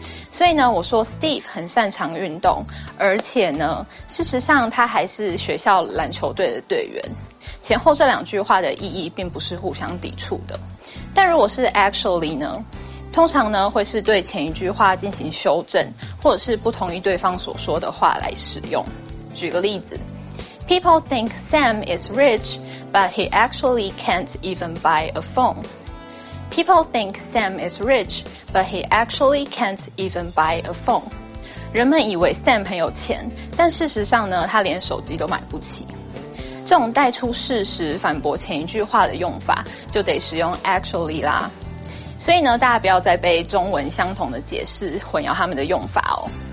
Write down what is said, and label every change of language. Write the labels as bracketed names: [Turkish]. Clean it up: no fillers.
[Chinese] 所以呢，我说 Steve 很擅长运动，而且呢，事实上他还是学校篮球队的队员。前后这两句话的意义并不是互相抵触的。但如果是 actually 呢，通常呢会是对前一句话进行修正，或者是不同意对方所说的话来使用。举个例子， [English] People think Sam is rich, but he actually can't even buy a phone. People think Sam is rich, but he actually can't even buy a phone. [Chinese] 人们以为 Sam 很有钱，但事实上呢，他连手机都买不起。这种带出事实反驳前一句话的用法，就得使用 actually 啦。所以呢，大家不要再被中文相同的解释混淆他们的用法哦。